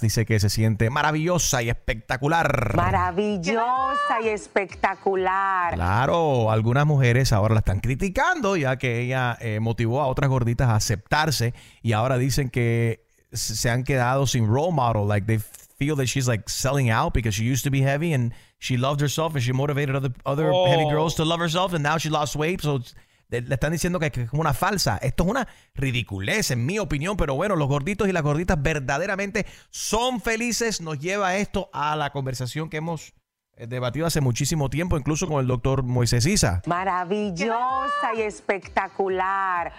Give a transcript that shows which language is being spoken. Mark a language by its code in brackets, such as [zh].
[es] Dice que se siente maravillosa y espectacular. Maravillosa y espectacular. Claro, algunas mujeres ahora la están criticando, ya que ella motivó a otras gorditas a aceptarse. Y ahora dicen que se han quedado sin role model. [en] Like, they feel that she's like selling out because she used to be heavy and she loved herself and she motivated other heavy girls to love herself and now she lost weight. [es] So le están diciendo que es como una falsa. Esto es una ridiculez, en mi opinión. Pero bueno, los gorditos y las gorditas verdaderamente son felices. Nos lleva esto a la conversación que hemos debatido hace muchísimo tiempo, incluso con el doctor Moisés Issa. Maravillosa y espectacular.